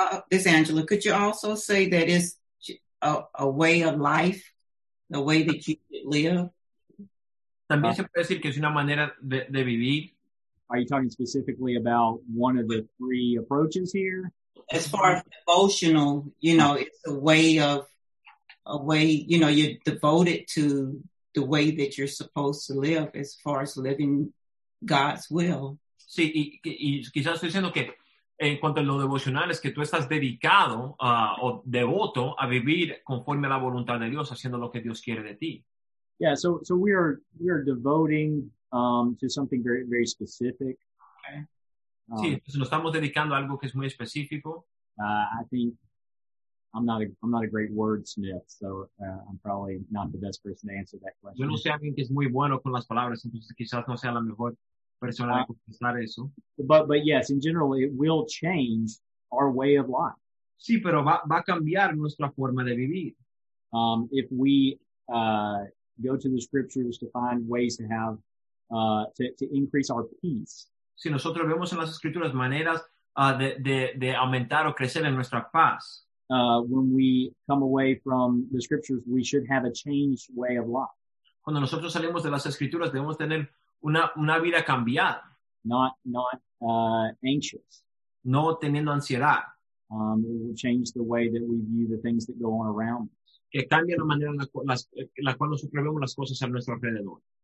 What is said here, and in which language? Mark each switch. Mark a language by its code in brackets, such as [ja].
[en] Miss Angela, could you also say that is a way of life, a way that you live? [es] También se puede decir que es una manera de vivir. [en] Are you talking specifically about one of the three approaches here? As far as devotional, you know, it's a way, you know, you're devoted to the way that you're supposed to live as far as living God's will. [es] Sí, y quizás estoy diciendo que en cuanto a lo devocional es que tú estás dedicado o devoto a vivir conforme a la voluntad de Dios, haciendo lo que Dios quiere de ti. [en] Yeah, so we are devoting to something very, very specific. Okay. [es] Sí, entonces nos estamos dedicando a algo que es muy específico. [en] I'm not a great wordsmith, so I'm probably not the best person to answer that question. [es] Yo no sé alguien que es muy bueno con las palabras, entonces quizás no sea la mejor persona de contestar eso. [en] But yes, in general, it will change our way of life. [es] Sí, pero va a cambiar nuestra forma de vivir. [en] If we go to the scriptures to find ways to have to increase our peace. [es] Si nosotros vemos en las escrituras maneras de aumentar o crecer en nuestra paz. [en] When we come away from the scriptures, we should have a changed way of life. [es] Cuando nosotros salimos de las escrituras, debemos tener una vida cambiada. [en] Not anxious. [es] No teniendo ansiedad. [en] It will change the way that we view the things that go on around us. [es] Que cambia la manera en la cual nosotros vemos las cosas a nuestro alrededor.